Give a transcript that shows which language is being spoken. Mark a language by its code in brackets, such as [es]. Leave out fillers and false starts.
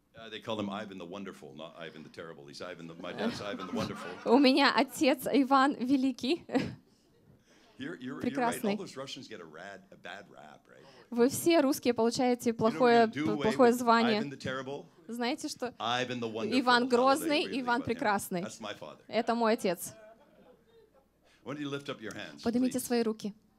[en] They call him Ivan the Wonderful, not Ivan the Terrible. He's Ivan the, my dad's Ivan the Wonderful. [ru] У меня отец Иван Великий. Прекрасный. [en] All those Russians get a bad rap, right? [ru] Вы все русские получаете плохое звание. Знаете что? Иван Грозный, Иван Прекрасный. Это мой отец. Поднимите свои руки.